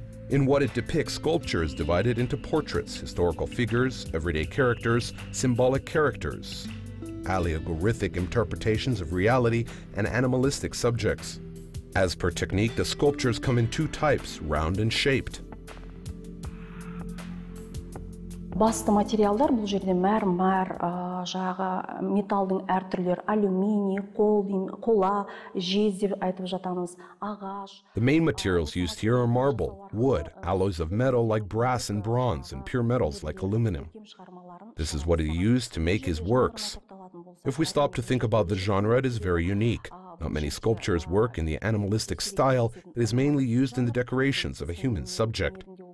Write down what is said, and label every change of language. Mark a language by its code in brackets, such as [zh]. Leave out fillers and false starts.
[en] In what it depicts, sculpture is divided into portraits, historical figures, everyday characters, symbolic characters, allegorific interpretations of reality, and animalistic subjects. As per technique, the sculptures come in two types, round and shaped. [kk] Басты материалдар бұл жерде мәрмәр, жағы металдың әр түрлері, алюминий, қола, жез деп айтып жатамыз, ағаш. [en] The main materials used here are marble, wood, alloys of metal like brass and bronze, and pure metals like aluminum. This is what he used to make his works. If we stop to think about the genre, it is very unique. Not many sculptures work in the animalistic style that is mainly used in the decorations of a human subject.